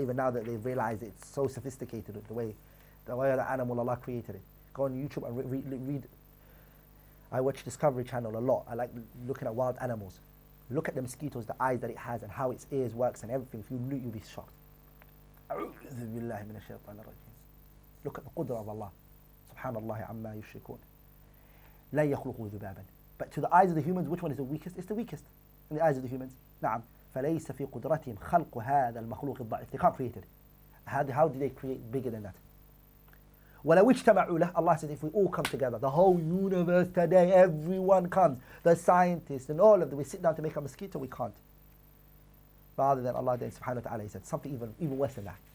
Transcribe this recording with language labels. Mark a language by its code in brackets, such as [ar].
[en] Even now that they've realized it's so sophisticated, the way the animal Allah created it. Go on YouTube and read. I watch Discovery Channel a lot. I like looking at wild animals. Look at the mosquitoes, the eyes that it has, and how its ears works and everything. If you look, you'll be shocked. [ar] أعوذ بالله من الشيطان الرجيم. [en] Look at the qudra of Allah. Subhanallah, amma yushrikun. [ar] لا يخلقوا ذبابا. [en] But to the eyes of the humans, which one is the weakest? It's the weakest in the eyes of the humans. [ar] نعم. فليس في قدرتهم خلق هذا المخلوق الضعيف. [en] They can't create it. How did they create bigger than that? [ar] وَلَوْ اجْتَمَعُوا لَهُ. [en] Allah says, if we all come together, the whole universe today, everyone comes, the scientists and all of them, we sit down to make a mosquito, we can't. Rather than Allah then, subhanahu wa ta'ala, he said, something even worse than that.